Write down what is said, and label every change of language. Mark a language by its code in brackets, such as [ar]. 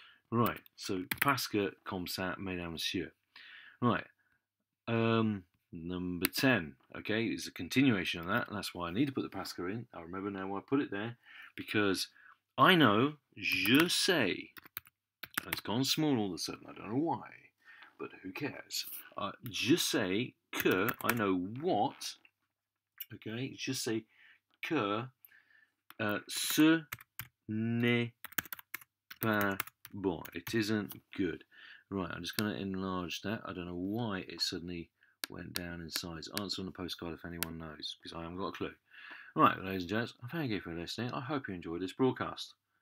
[en] Right, so Pasca, [fr] comme ça, mesdames, messieurs. [en] Right, number 10, okay, is a continuation of that, and that's why I need to put the Pasca in. I remember now why I put it there, because I know, [fr] je sais. [en] It's gone small all of a sudden. I don't know why, but who cares? [fr] Je sais que, [en] I know what, okay? [fr] Je sais que ce n'est pas bon. [en] It isn't good. Right, I'm just going to enlarge that. I don't know why it suddenly went down in size. Answer on the postcard if anyone knows, because I haven't got a clue. Right, ladies and gents, thank you for listening. I hope you enjoyed this broadcast.